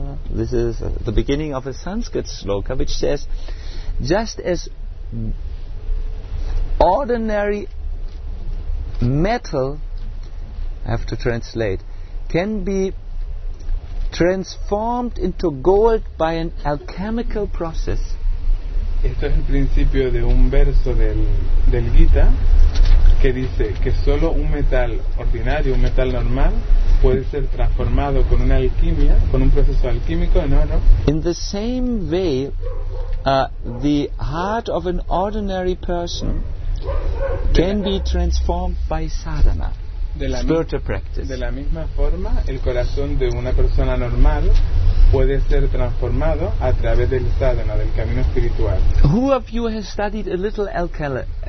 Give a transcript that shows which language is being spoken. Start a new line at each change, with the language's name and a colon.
English: This is the beginning of a Sanskrit sloka which says, just as ordinary metal, I have to translate, can be transformed into gold by an alchemical process.
Spanish: Esto es el principio de un verso del Gita que dice que solo un metal ordinario, un metal normal, puede ser transformado con una alquimia, con un proceso alquímico en oro.
English: In the same way, the heart of an ordinary person can be transformed by sadhana.
Spanish: De la misma forma, el corazón de una persona normal puede ser transformado a través del sadhana, del camino espiritual.
English: Who of you has studied a little alchemy?